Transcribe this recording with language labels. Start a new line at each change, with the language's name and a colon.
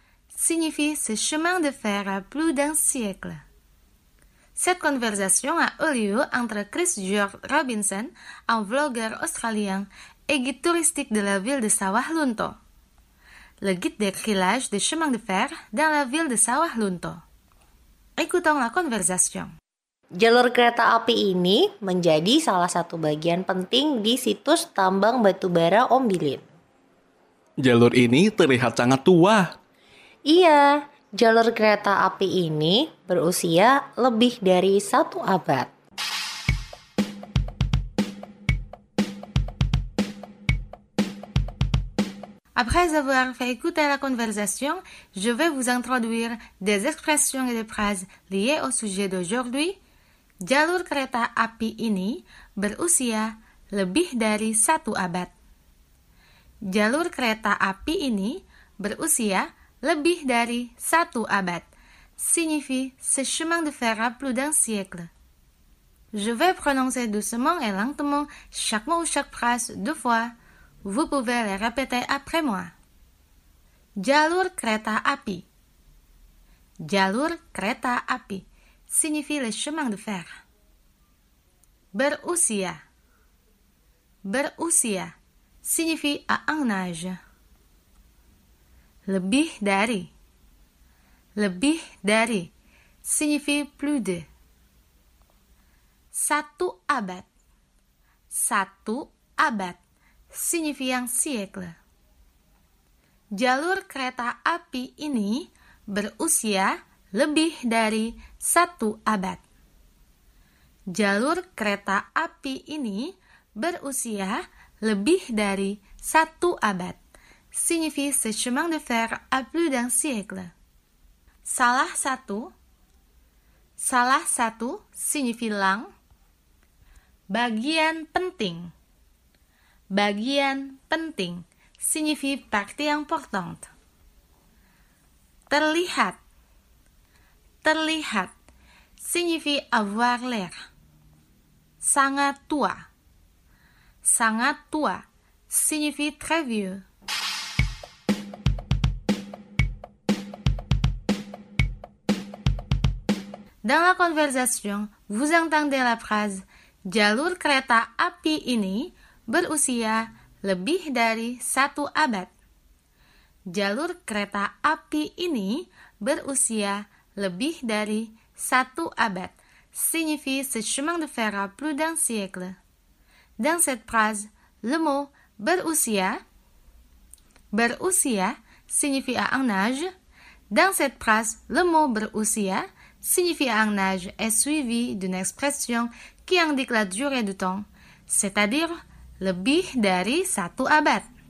French: Signifie ce chemin de fer a plus d'un siècle. Cette conversation a eu lieu entre Chris George Robinson, un vlogueur australien et guide touristique de la ville de Sawah Lunto. Le guide décrit l'âge des chemins de fer dans la ville de Sawah Lunto. Écoutons la conversation.
Indonesian: Jalur kereta api ini menjadi salah satu bagian penting di situs tambang batubara Ombilin. Jalur ini terlihat sangat tua. Iya, jalur kereta api ini berusia lebih dari satu abad.
French: Après avoir fait écouter la conversation, je vais vous introduire des expressions et des phrases liées au sujet d'aujourd'hui.
Indonesian: Jalur kereta api ini berusia lebih dari satu abad. Jalur kereta api ini berusia lebih dari satu abad.
French: Signifie ce chemin de fer a plus d'un siècle. Je vais prononcer doucement et lentement chaque mot ou chaque phrase deux fois. Vous pouvez les répéter après moi.
Indonesian: Jalur kereta api. Jalur kereta api
French: signifie le chemin de fer. Berusia. Berusia signifie à un âge.
Indonesian: Lebih dari. Lebih dari
French: signifie plus de.
Indonesian: Satu abad. Satu abad
French: signifie un siècle.
Indonesian: Jalur kereta api ini berusia lebih dari satu abad. Jalur kereta api ini berusia lebih dari satu abad.
French: Signifie ce chemin de fer a plus d'un siècle.
Indonesian: Salah satu. Salah satu
French: signifie lang.
Indonesian: Bagian penting. Bagian penting
French: signifie partie importante.
Indonesian: Terlihat.
French: Terlihat signifie avoir l'air.
Indonesian: Sangat tua. Sangat tua
French: signifie très vieux. Dans la conversation, vous entendez la phrase
Indonesian: jalur kereta api ini berusia lebih dari satu abad. Jalur kereta api ini berusia lebih dari satu abad.
French: Signifie ce chemin de fer a plus d'un siècle. Dans cette phrase, le mot berusia, berusia signifie à un âge. Dans cette phrase, le mot berusia signifie à un âge est suivi d'une expression qui indique la durée du temps, c'est-à-dire
Indonesian: lebih dari satu abad.